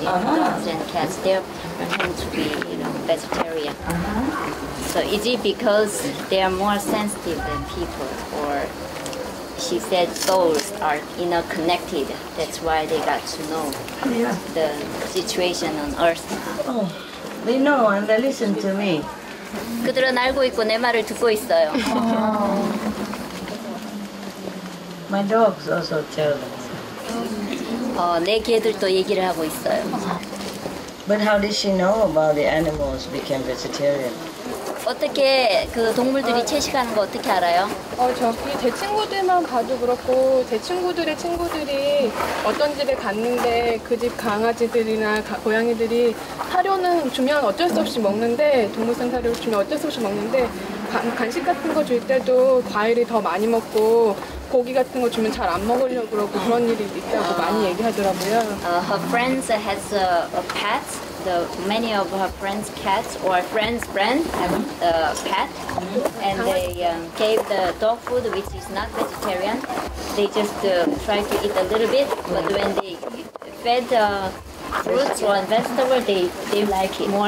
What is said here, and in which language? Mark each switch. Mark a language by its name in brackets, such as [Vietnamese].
[English] dogs and cats, they are trying to be vegetarian. So is it because they are more sensitive than people, or she said souls are interconnected? That's why they got to know the situation on Earth. They know and they listen to me. [Korean] 그들은 알고 있고 내 말을 듣고 있어요. [English] My dogs also tell us. [Korean] 내 개들도 얘기를 하고 있어요. [English] But how did she know about the animals became vegetarian? [Korean] 어떻게 그 동물들이 채식하는 거 어떻게 알아요? 저기 제 친구들만 봐도 그렇고 제 친구들의 친구들이 어떤 집에 갔는데 그 집 강아지들이나 고양이들이 사료는 주면 어쩔 수 없이 먹는데 동물성 사료를 주면 어쩔 수 없이 먹는데 간식 같은 거 줄 때도 과일을 더 많이 먹고 고기 같은 거 주면 잘 안 먹으려고 그러고 그런 일이 있다고 많이 얘기하더라고요. [English] Her friends has a pet. So many of her friends' cats or friends' friends have a pet, and they gave the dog food, which is not vegetarian. They just try to eat a little bit, but when they fed fruits or vegetables, they like it more.